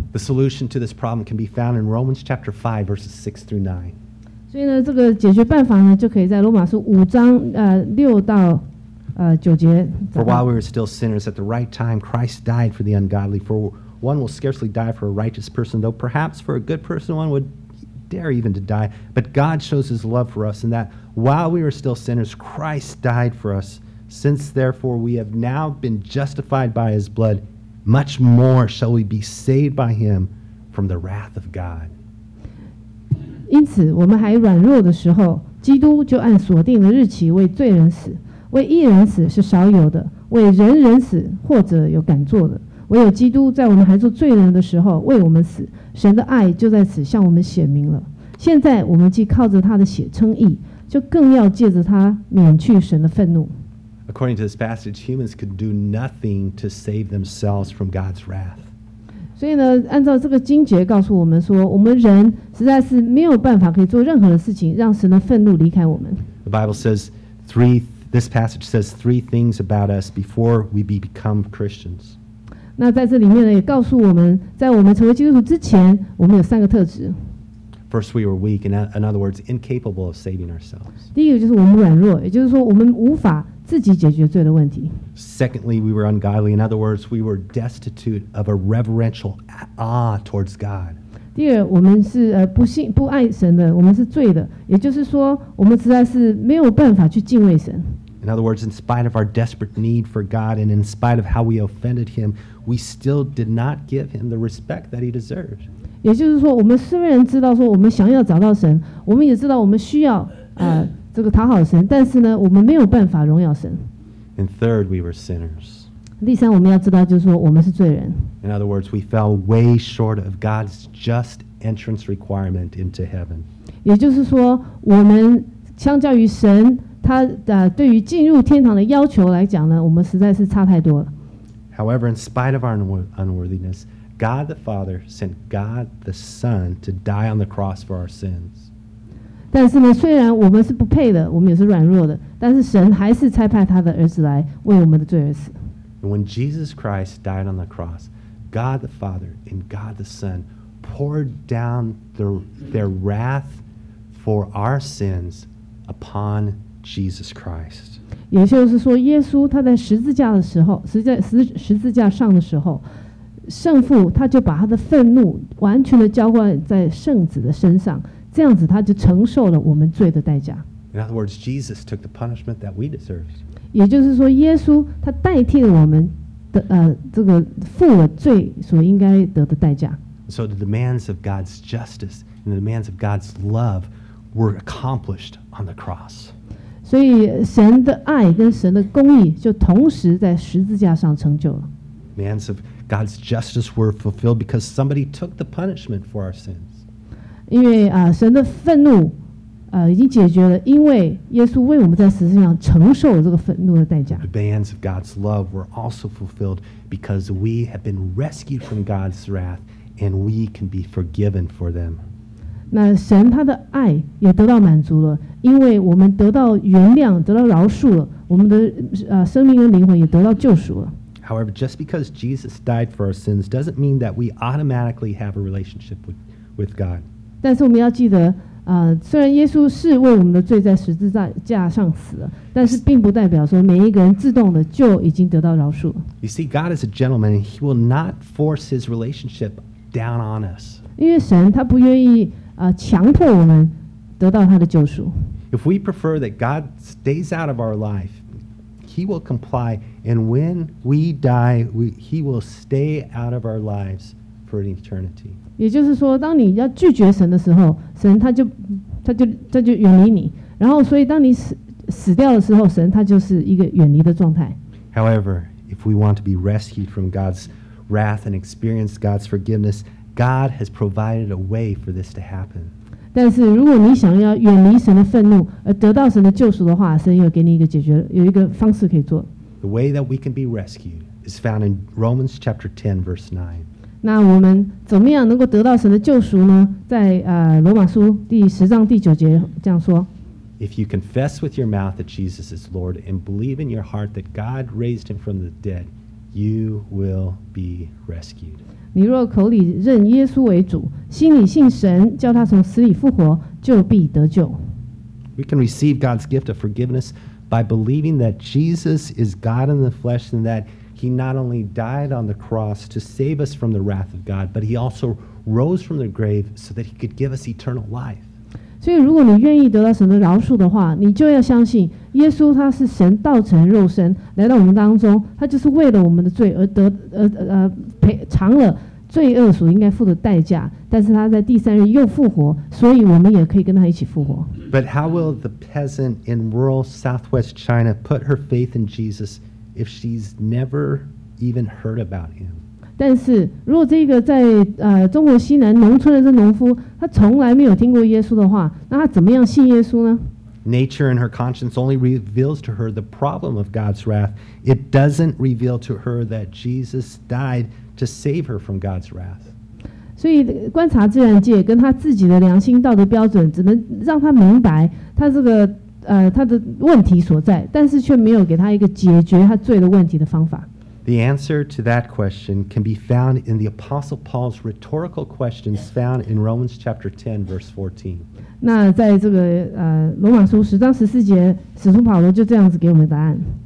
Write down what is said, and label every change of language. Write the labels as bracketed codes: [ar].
[en] The solution to this problem can be found in Romans chapter 5, verses 6 through 9. [zh] 所以呢，这个解决办法呢，就可以在罗马书五章六到九节。 [en] For while we were still sinners, at the right time Christ died for the ungodly. For one will scarcely die for a righteous person, though perhaps for a good person one would dare even to die. But God shows His love for us in that while we were still sinners, Christ died for us. Since therefore we have now been justified by His blood, much more shall we be saved by Him from the wrath of God. [zh] 因此我们还软弱的时候，基督就按所定的日期为罪人死，为义人死是少有的，为人人死或者有敢做的。唯有基督在我们还做罪人的时候为我们死，神的爱就在此向我们显明了。现在我们既靠着他的血称义，就更要借着他免去神的愤怒。 [en] According to this passage, humans could do nothing to save themselves from God's wrath. [zh] 所以呢，按照这个经节告诉我们说，我们人实在是没有办法可以做任何的事情，让神的愤怒离开我们。 [en] The Bible says this passage says three things about us before we become Christians. [zh] 那在这里面呢，也告诉我们，在我们成为基督徒之前，我们有三个特质。 [en] First, we were weak, in other words, incapable of saving ourselves. [zh] 第一个就是我们软弱，也就是说我们无法自己解决罪的问题。 [en] Secondly, we were ungodly. In other words, we were destitute of a reverential awe towards God. [zh] 第二，我们是不爱神的，我们是罪的，也就是说，我们实在是没有办法去敬畏神。 [en] In other words, in spite of our desperate need for God and in spite of how we offended Him, we still did not give Him the respect that He deserved. [zh] 也就是说，我们虽然知道说我们想要找到神，我们也知道我们需要这个讨好神，但是呢，我们没有办法荣耀神。 [en] And third, we were sinners. [zh] 第三，我们要知道，就是说，我们是罪人。 [en] In other words, we fell way short of God's just entrance requirement into heaven. [zh] 也就是说，我们相较于神，他对于进入天堂的要求来讲呢，我们实在是差太多了。 [en] However, in spite of our unworthiness, God the Father sent God the Son to die on the cross for our sins. [zh] 但是呢，虽然我们是不配的，我们也是软弱的，但是神还是差派他的儿子来为我们的罪而死。 [en] When Jesus Christ died on the cross, God the Father and God the Son poured down their wrath for our sins upon Jesus Christ. [zh] 也就是说，耶稣他在十字架的时候，十字架上的时候，圣父他就把他的愤怒完全的浇灌在圣子的身上。这样子，他就承受了我们罪的代价。 [en] In other words, Jesus took the punishment that we deserved. [zh] 也就是说，耶稣他代替了我们这个付了罪所应该得的代价。 [en] So the demands of God's justice and the demands of God's love were accomplished on the cross. [zh] 所以神的爱跟神的公义就同时在十字架上成就了。 [en] Demands of God's justice were fulfilled because somebody took the punishment for our sins. [zh] 因为神的愤怒已经解决了，因为耶稣为我们在十字架上承受了这个愤怒的代价。 [en] The demands of God's love were also fulfilled because we have been rescued from God's wrath and we can be forgiven for them. [zh] 那神他的爱也得到满足了，因为我们得到原谅，得到饶恕了，我们的生命跟灵魂也得到救赎了。 [en] However, just because Jesus died for our sins doesn't mean that we automatically have a relationship with God. [zh] 但是我们要记得虽然耶稣是为我们的罪在十字架上死了，但是并不代表说每一个人自动的就已经得到饶恕了。 [en] You see, God is a gentleman, and he will not force his relationship down on us. [zh] 因为神他不愿意强迫我们得到他的救赎。 [en] If we prefer that God stays out of our life, he will comply, and when we die, he will stay out of our lives for an eternity. [zh] 也就是说，当你要拒绝神的时候，神他就远离你。然后，所以当你死掉的时候，神他就是一个远离的状态。 [en] However, if we want to be rescued from God's wrath and experience God's forgiveness, God has provided a way for this to happen. [zh] 但是，如果你想要远离神的愤怒而得到神的救赎的话，神有给你一个解决，有一个方式可以做。 [en] The way that we can be rescued is found in Romans chapter 10, verse 9. [zh] 那我们怎么样能够得到神的救赎呢？在罗马书第十章第九节这样说。 [en] If you confess with your mouth that Jesus is Lord and believe in your heart that God raised him from the dead, you will be rescued. [zh] 你若口里认耶稣为主，心里信神叫他从死里复活，就必得救。 [en] We can receive God's gift of forgiveness by believing that Jesus is God in the flesh and that He not only died on the cross to save us from the wrath of God, but he also rose from the grave so that he could give us eternal life. [zh] 所以如果你愿意得到神的饶恕的话，你就要相信耶稣他是神道成肉身来到我们当中，他就是为了我们的罪而得赔偿了罪恶所应该付的代价，但是他在第三日又复活，所以我们也可以跟他一起复活。 [en] But how will the peasant in rural southwest China put her faith in Jesus? If she's never even heard about him. [zh] 但是如果这个在中国西南农村的这农夫他从来没有听过耶稣的话，那他怎么样信耶稣呢？ [en] Nature and her conscience only reveals to her the problem of God's wrath. It doesn't reveal to her that Jesus died to save her from God's wrath. [zh] 所以观察自然界跟他自己的良心道德标准只能让他明白他这个他的问题所在，但是却没有给他一个解决他罪的问题的方法。 [en] The answer to that question can be found in the Apostle Paul's rhetorical questions found in Romans chapter 10, verse 14. [zh] 那在这个罗马书十章十四节，使徒保罗就这样子给我们答案。